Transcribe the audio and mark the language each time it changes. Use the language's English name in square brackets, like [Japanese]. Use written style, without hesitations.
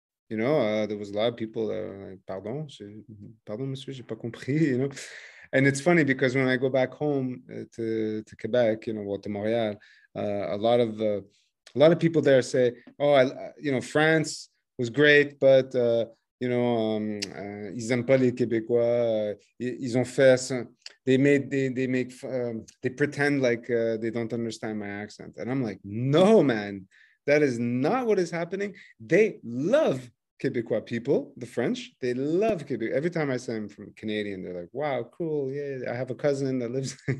[English] You know, there was a lot of people that were like, [French] pardon, monsieur, j'ai pas compris, [English] you know. And it's funny because when I go back home to Quebec, you know, well, to Montreal, a lot of people there say, oh, you know, France was great, but... you know, [French] ils aiment pas les Québécois. Ils ont fait ça. [English] They pretend like they don't understand my accent. And I'm like, no, man, that is not what is happening. They love Québécois people, the French. They love Québécois. Every time I say I'm from Canadian, they're like, wow, cool. Yeah, I have a cousin that lives.